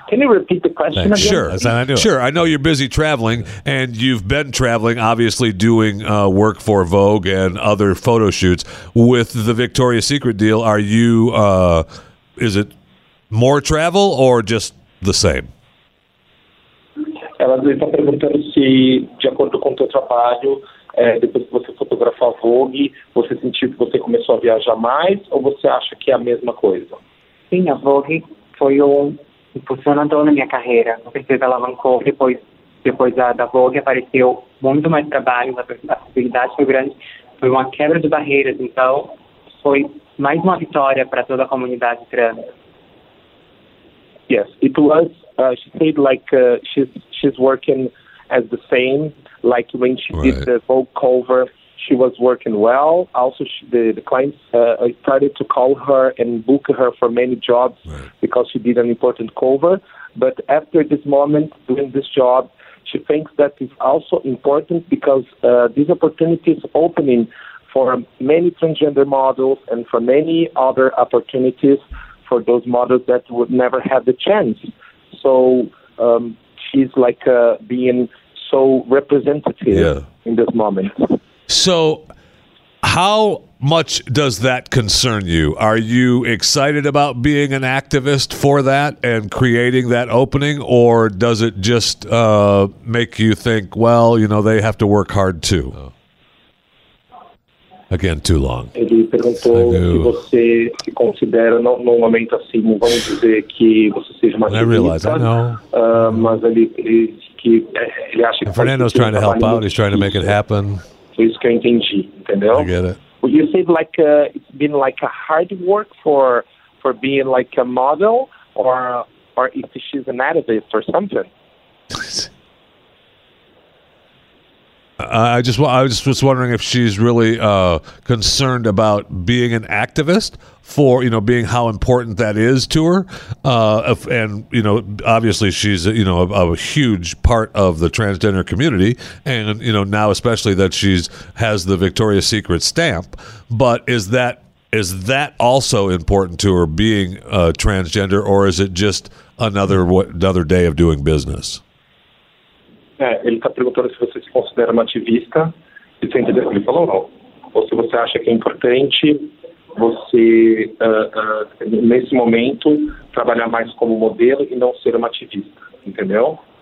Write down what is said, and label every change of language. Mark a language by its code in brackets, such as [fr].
[en] Can you repeat the question Thanks. Again? Sure. I know you're busy traveling, and you've been traveling, obviously doing work for Vogue and other photo shoots. With the Victoria's Secret deal, are you, is it more travel or just the same? [pt] Ela está perguntando se, de acordo com o seu trabalho, depois que você fotografou a Vogue, você sentiu que você começou a viajar mais ou você acha que é a mesma coisa? Sim, a Vogue foi um impulsionador na minha carreira. Com certeza alavancou. Depois da Vogue apareceu muito mais trabalho, a possibilidade foi grande. Foi uma quebra de barreiras, então foi mais uma vitória para toda a comunidade trans. [en] Yes, it was. She said like she's working as the same. Like when she right. did the Vogue cover, she was working well. Also, the clients started to call her and book her for many jobs right. because she did an important cover. But after this moment doing this job, she thinks that it's also important because this opportunity is opening for many transgender models and for many other opportunities for those models that would never have the chance. So she's like being so representative yeah. in this moment. So how much does that concern you? Are you excited about being an activist for that and creating that opening? Or does it just make you think, well, you know, they have to work hard too? Again, too long. [pt] Ele perguntou se você se considera num momento assim, não vamos dizer que você seja uma feminista. [en] I realize, I know. [pt] Mas ele acha que [en] Fernando's trying to help out. He's trying to make it happen. [pt] Foi isso que eu entendi, entendeu? [en] I get it. Well, you said like it's been like a hard work for being like a model, or if she's an activist or something. I was just wondering if she's really concerned about being an activist for, you know, being how important that is to her. And, you know, obviously she's, you know, a huge part of the transgender community. And, you know, now especially that she's has the Victoria's Secret stamp. But is that also important to her being transgender, or is it just another day of doing business? [pt] Ele está perguntando se você se considera uma ativista, e você entendeu o que ele falou, não. Ou se você acha que é importante você, nesse momento, trabalhar mais como modelo e não ser uma ativista, entendeu?